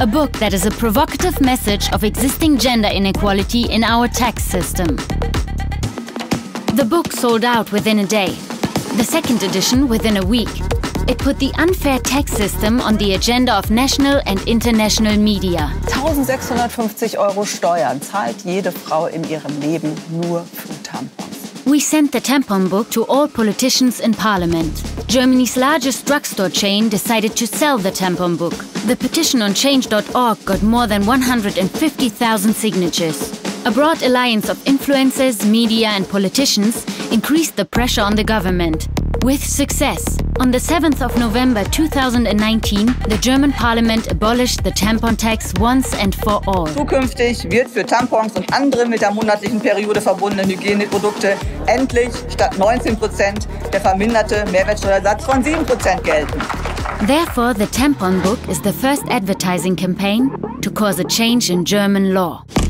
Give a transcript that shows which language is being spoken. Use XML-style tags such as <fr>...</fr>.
<en>A book that is a provocative message of existing gender inequality in our tax system. The book sold out within a day. The second edition within a week. It put the unfair tax system on the agenda of national and international media.</en> <de>1650 Euro Steuern zahlt jede Frau in ihrem Leben nur für Tampons.</de> <en>We sent the tampon book to all politicians in parliament. Germany's largest drugstore chain decided to sell the tampon book. The petition on change.org got more than 150,000 signatures. A broad alliance of influencers, media and politicians increased the pressure on the government. With success, on the 7th of November 2019, the German parliament abolished the tampon tax once and for all.</en> <de>Zukünftig wird für Tampons und andere mit der monatlichen Periode verbundenen Hygieneprodukte endlich statt 19% der verminderte Mehrwertsteuersatz von 7% gelten.</de> <en>Therefore, the tampon book is the first advertising campaign to cause a change in German law.</en>